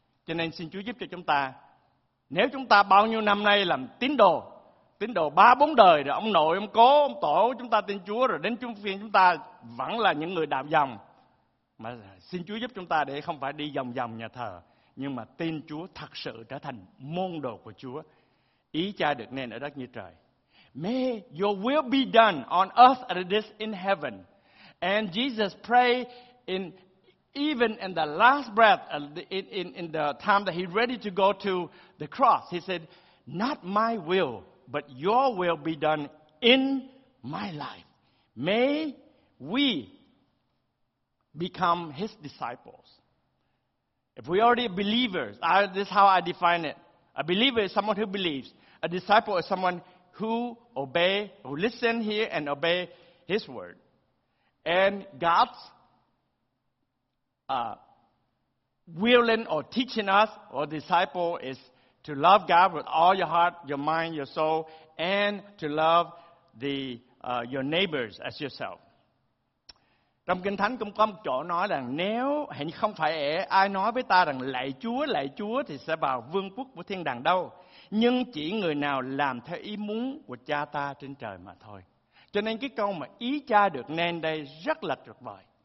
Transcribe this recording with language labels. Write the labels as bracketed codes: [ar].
[vi] Cho nên xin Chúa giúp cho chúng ta, nếu chúng ta bao nhiêu năm nay làm tín đồ 3-4 đời rồi, ông nội, ông cố, ông tổ chúng ta tin Chúa rồi, đến chung phiên chúng ta vẫn là những người đạo dòng. Mà xin Chúa giúp chúng ta để không phải đi vòng vòng nhà thờ, nhưng mà tin Chúa thật sự trở thành môn đồ của Chúa. Ý Cha được nên ở đất như trời. [en] May your will be done on earth as it is in heaven. And Jesus prayed even in the last breath, in the time that he ready to go to the cross. He said, not my will, but your will be done in my life. May we become his disciples. If we already believers, this is how I define it. A believer is someone who believes. A disciple is someone who obey, who listen here and obey his word. And God's willing or teaching us or disciple is to love God with all your heart, your mind, your soul, and to love your neighbors as yourself. [vi] Trong Kinh Thánh cũng có một chỗ nói rằng nếu hãy không phải ai nói với ta rằng lạy Chúa thì sẽ vào vương quốc của thiên đàng đâu, nhưng chỉ người nào làm theo ý muốn của Cha ta trên trời mà thôi. Cho nên cái câu mà ý Cha được nên đây rất là tuyệt vời.